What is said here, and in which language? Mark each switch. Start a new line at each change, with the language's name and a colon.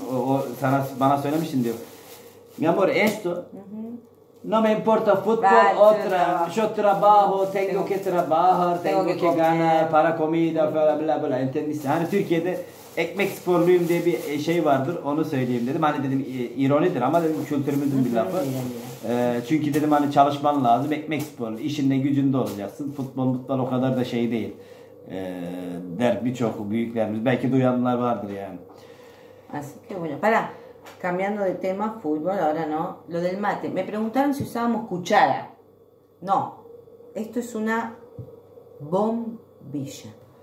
Turkish: o sana, bana söylemişsin diyor.
Spanish: Mi amor, esto... no me importa fútbol, otra... yo trabajo, tengo que trabajar, tengo que ganar para comida, bla bla bla, ¿entendiste?
Turkish: Hani Türkiye'de ekmek sporluyum diye bir şey vardır, onu söyleyeyim dedim. Hani dedim ironidir ama dedim kültürümüzün bir lafı. Çünkü dedim hani çalışman lazım, ekmek sporu, işinde gücünde olacaksın, futbol o kadar da şey değil der birçok büyüklerimiz, belki duyanlar vardır yani.
Spanish: Así que bueno, para, cambiando de tema, fútbol, ahora no, lo del mate, me preguntaron si usábamos cuchara, no, esto es una bombilla.